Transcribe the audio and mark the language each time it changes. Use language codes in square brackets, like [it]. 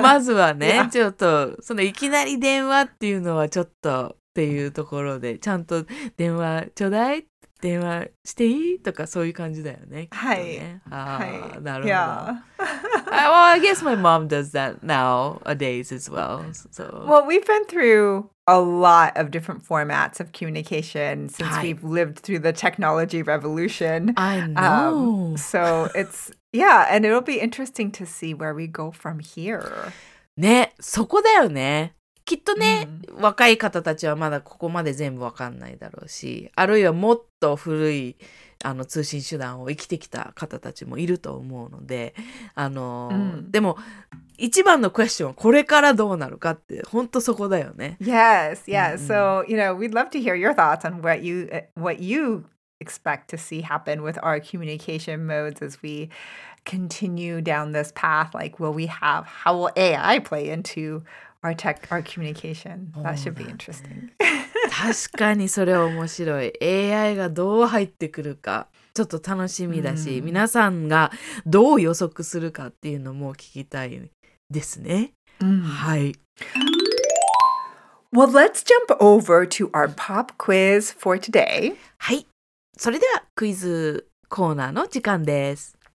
[ja] まずはね、yeah. ちょっとそのいきなり電話っていうのはちょっとっていうところで、ちゃんと電話ちょうだい、電話していいとかそういう感じだよね。はい。ね、はい。なるほど。Yeah. [en] well, I guess my mom does that nowadays as well. So. Well, we've been through a lot of different formats of communication since we've lived through the technology revolution. I know. So it's, yeah, and it'll be interesting to see where we go from here. [ja] ね、そこだよね。きっとね、若い方たちはまだここまで全部わかんないだろうし、あるいはもっと古いあの通信手段を生きてきた方たちもいると思うので、でも一番のクエスチョンはこれからどうなるかって本当そこだよね。 [en] Yes, yes. So, you know, we'd love to hear your thoughts on what you expect to see happen with our communication modes as we continue down this path. Like, how will AI play into our communication? That should be interesting. [ja] 確かにそれは面白い。 AI がどう入ってくるか。ちょっと楽しみだし、皆さんがどう予測するかっていうのも聞きたいですね。はい。 [en] Well, let's jump over to our pop quiz for today. [ja] はい。それではクイズコーナーの時間です。